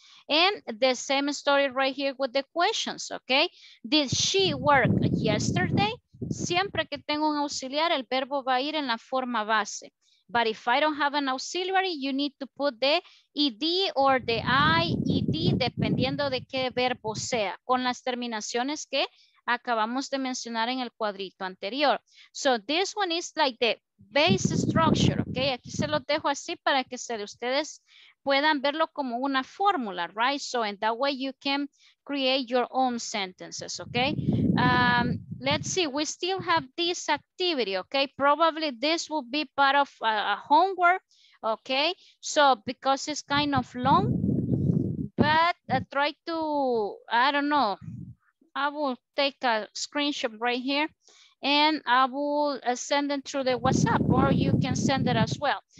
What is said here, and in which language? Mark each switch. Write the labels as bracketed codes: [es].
[en] And the same story right here with the questions, okay? Did she work yesterday? [es] Siempre que tengo un auxiliar, el verbo va a ir en la forma base. [en] But if I don't have an auxiliary, you need to put the ed or the ied, [es] dependiendo de qué verbo sea, con las terminaciones que acabamos de mencionar en el cuadrito anterior. [en] So this one is like the base structure, okay? [es] Aquí se lo dejo así para que se de ustedes puedan verlo como una fórmula, right? [en] So in that way you can create your own sentences, okay? Let's see, we still have this activity, okay? Probably this will be part of a homework, okay? So because it's kind of long, but I try to, I don't know, I will take a screenshot right here and I will send it through the WhatsApp or you can send it as well.